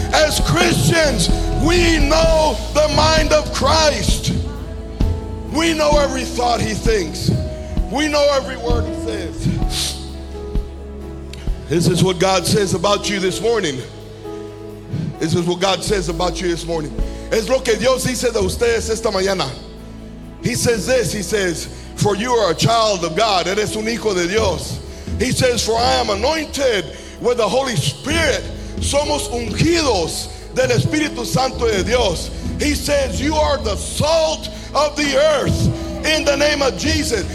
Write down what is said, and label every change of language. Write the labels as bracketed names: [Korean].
[English] As Christians, we know the mind of Christ. We know every thought he thinks. We know every word he says. This is what God says about you this morning. This is what God says about you this morning. [Spanish] Es lo que Dios dice de ustedes esta mañana. [English] He says this. He says, for you are a child of God. [Spanish] Eres un hijo de Dios. [English] He says, for I am anointed with the Holy Spirit. [Spanish] Somos ungidos del Espíritu Santo de Dios. [English] He says, you are the salt of the earth in the name of Jesus.